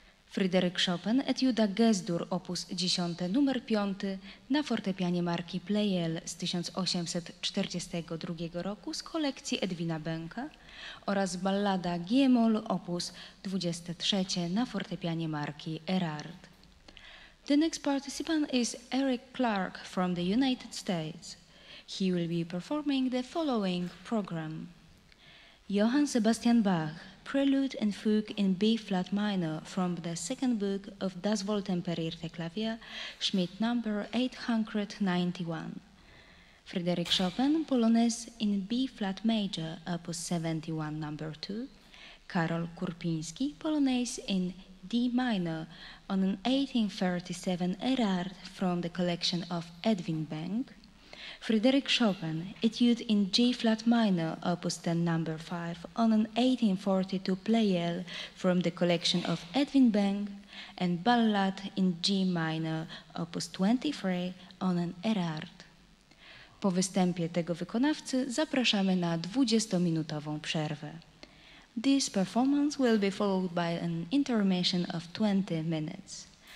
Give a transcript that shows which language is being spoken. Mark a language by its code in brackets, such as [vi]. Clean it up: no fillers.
[pl] Fryderyk Chopin, Etiuda Gesdur, opus 10, numer 5 na fortepianie marki Pleyel z 1842 roku z kolekcji Edwina Benka oraz ballada G-moll, opus 23 na fortepianie marki Erard. [en] The next participant is Eric Clarke from the United States. He will be performing the following program. Johann Sebastian Bach, Prelude and Fugue in B-flat minor from the second book of Das Wolten per Irte Klavier, Schmidt number 891. Frédéric Chopin, Polonaise in B-flat major, opus 71, number 2. Karol Kurpiński, Polonaise in D minor on an 1837 Erard from the collection of Edwin Benk. Frédéric Chopin, Etude in G flat minor, opus 10, number 5, on an 1842 Pleyel from the collection of Edwin Benk. and Ballad in G minor, opus 23, on an Erard. [pl] Po występie tego wykonawcy zapraszamy na 20-minutową przerwę. [en] This performance will be followed by an intermission of 20 minutes.